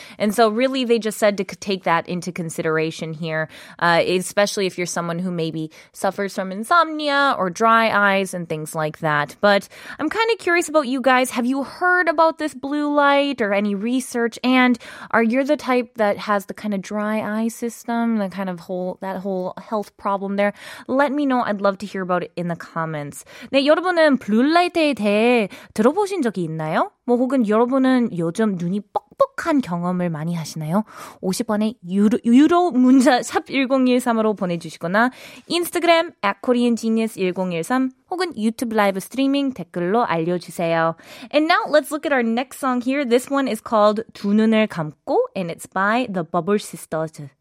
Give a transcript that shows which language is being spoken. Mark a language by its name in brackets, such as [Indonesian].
[English] And so really they just said to take that into consideration here, especially if you're someone who maybe suffers from insomnia or dry eyes and things like that. But I'm kind of curious about you guys. Have you heard about this blue light or any research? And are you the type that has the kind of dry eye system, the kind of whole health problem there? Let me know. I'd love to hear about it in the comments. [Korean] 네, 여러분은 블루라이트에 대해 들어보신 적이 있나요? 뭐 혹은 여러분은 요즘 눈이 뻑뻑한 경험을 많이 하시나요? 50번에 유로 문자 샵 1013으로 보내주시거나 인스타그램 @koreangenius1013 혹은 유튜브 라이브 스트리밍 댓글로 알려주세요. [English] And now let's look at our next song here. This one is called 두 눈을 감고 and it's by The Bubble Sisters.